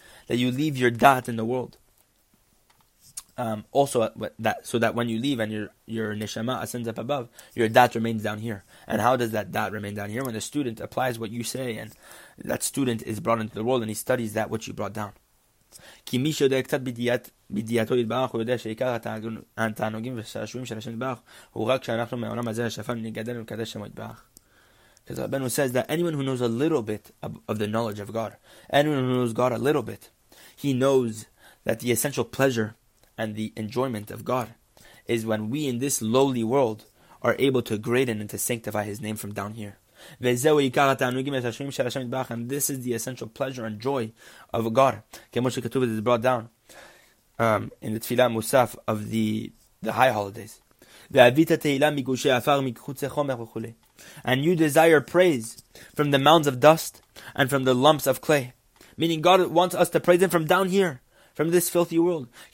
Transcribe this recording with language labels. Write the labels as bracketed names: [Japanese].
[English] That you leave your da'at in the world. Also, that so that when you leave and your neshama ascends up above, your da'at remains down here. And how does that da'at remain down here? When the student applies what you say, and that student is brought into the world, and he studies that which you brought down. [Hebrew] כי מי שיודע קצת בדיעתו יתברך, הוא יודע שעיקר התענוגים והשעשועים של השם יתברך, הוא רק כשאנחנו מהעולם הזה השפן נגדל ולקדש שמו יתברך. [English] Because Rabbeinu says that anyone who knows a little bit of the knowledge of God, anyone who knows God a little bit, he knows that the essential pleasure and the enjoyment of God is when we in this lowly world are able to graden and to sanctify his name from down here. And this is the essential pleasure and joy of God. [Hebrew] כמו שכתוב, [English] it is brought down in the Tfilah Musaf of the high holidays. [Hebrew] והביטה תהילה מגושי אפר מחוצי חומר וכו'. [English] And you desire praise from the mounds of dust and from the lumps of clay. Meaning God wants us to praise Him from down here, from this filthy world.